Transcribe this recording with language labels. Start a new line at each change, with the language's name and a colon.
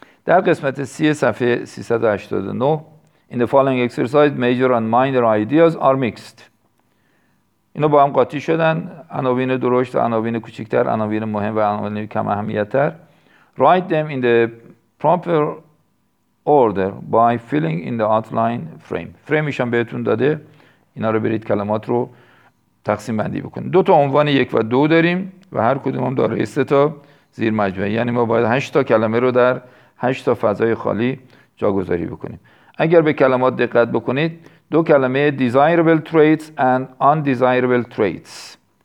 Persian: در قسمت C صفحه 389
English: In the following exercise major and minor ideas are mixed.
Persian: اینا با هم قاطی شدن، عناوین درشت و عناوین کوچکتر، عناوین مهم و عناوین کم اهمیت‌تر.
English: Write them in the proper order by filling in the outline frame.
Persian: فریمش هم بهتون داده. اینا رو برید کلمات رو تقسیم بندی بکنید. دو تا عنوان یک و دو داریم و هر کدوم هم داره 3 تا زیر مجموعه. یعنی ما باید 8 تا کلمه رو در 8 تا فضای خالی جاگذاری بکنیم. اگر به کلمات دقت بکنید، دو کلمه
English: desirable traits and undesirable traits.